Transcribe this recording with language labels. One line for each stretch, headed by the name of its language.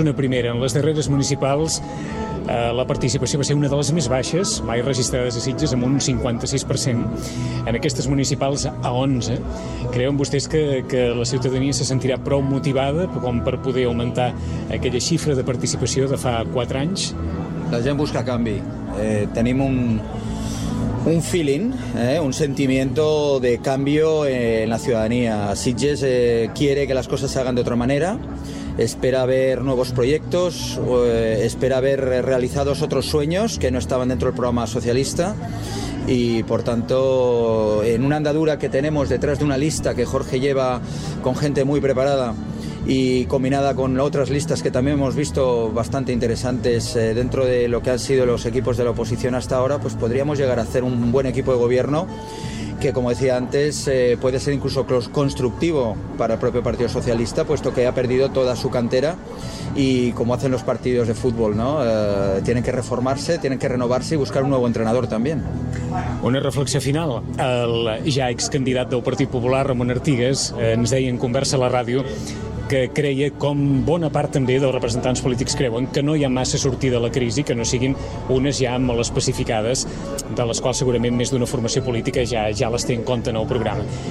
Catalan: Una primera, en les darreres municipals la participació va ser una de les més baixes mai registrades a Sitges, amb un 56%. En aquestes municipals, a 11, creuen vostès que la ciutadania se sentirà prou motivada com per poder augmentar aquella xifra de participació de fa 4 anys? La gent busca canvi. Tenim un
Spanish: feeling, un sentimiento de cambio en la ciudadanía. Sitges quiere que las cosas se hagan de otra manera. Espera ver nuevos proyectos, espera ver realizados otros sueños que no estaban dentro del programa socialista, y por tanto en una andadura que tenemos detrás de una lista que Jorge lleva con gente muy preparada y combinada con otras listas que también hemos visto bastante interesantes dentro de lo que han sido los equipos de la oposición hasta ahora, pues podríamos llegar a hacer un buen equipo de gobierno que, como decía antes, puede ser incluso constructivo para el propio Partido Socialista, puesto que ha perdido toda su cantera y, como hacen los partidos de fútbol, ¿no? Tienen que reformarse, tienen que renovarse y buscar un nuevo entrenador también.
Catalan: Una reflexió final. El ja excandidat del Partit Popular, Ramon Artigues, ens deia en conversa a la ràdio que creia, com bona part també dels representants polítics creuen, que no hi ha massa sortida de la crisi, que no siguin unes ja molt especificades, de les quals segurament més d'una formació política ja les té en compte en el programa.